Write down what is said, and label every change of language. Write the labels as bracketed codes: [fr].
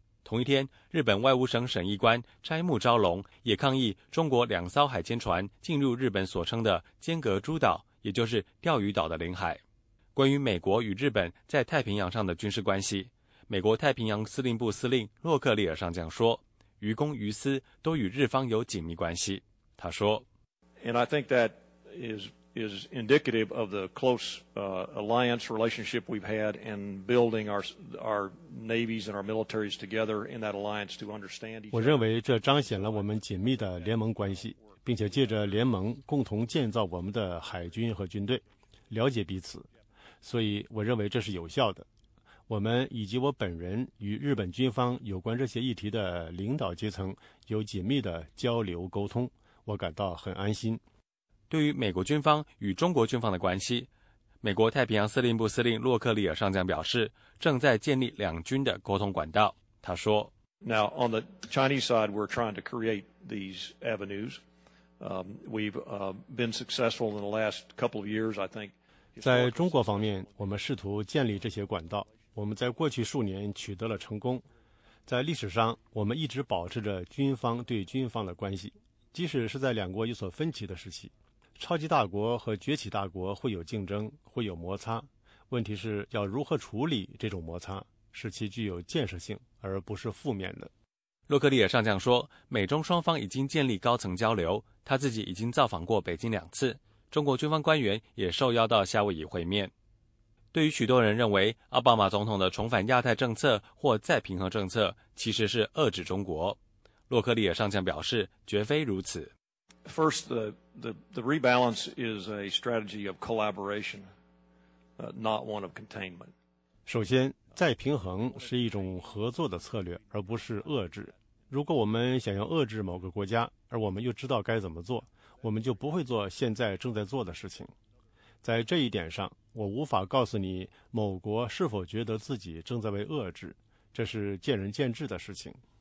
[zh] 同一天，日本外务省审议官斋木昭龙也抗议中国两艘海监船进入日本所称的尖阁诸岛，也就是钓鱼岛的领海。关于美国与日本在太平洋上的军事关系，美国太平洋司令部司令洛克利尔上将说，于公于私都与日方有紧密关系。他说， [en] And I think that is indicative of the close alliance relationship we've had in building our navies and our militaries together in that alliance to understand each other. [zh] 我认为这彰显了我们紧密的联盟关系，并且借着联盟共同建造我们的海军和军队，了解彼此。所以我认为这是有效的。我们以及我本人与日本军方有关这些议题的领导阶层有紧密的交流沟通，我感到很安心。对于美国军方与中国军方的关系，美国太平洋司令部司令洛克利尔上将表示，正在建立两军的沟通管道。他说， [en] Now on the Chinese side, we're trying to create these avenues. We've been successful in the last couple of years, I think. [zh] 在中国方面，我们试图建立这些管道，我们在过去数年取得了成功。在历史上，我们一直保持着军方对军方的关系，即使是在两国有所分歧的时期。超级大国和崛起大国会有竞争，会有摩擦，问题是要如何处理这种摩擦，使其具有建设性而不是负面的。洛克利尔上将说，美中双方已经建立高层交流，他自己已经造访过北京两次，中国军方官员也受邀到夏威夷会面。对于许多人认为奥巴马总统的重返亚太政策或再平衡政策其实是遏制中国，洛克利尔上将表示绝非如此。 [en] First, the rebalance is a strategy of collaboration, not one of containment. [zh] 首先，再平衡是一种合作的策略，而不是遏制。如果我们想要遏制某个国家，而我们又知道该怎么做，我们就不会做现在正在做的事情。在这一点上，我无法告诉你某国是否觉得自己正在被遏制，这是见仁见智的事情。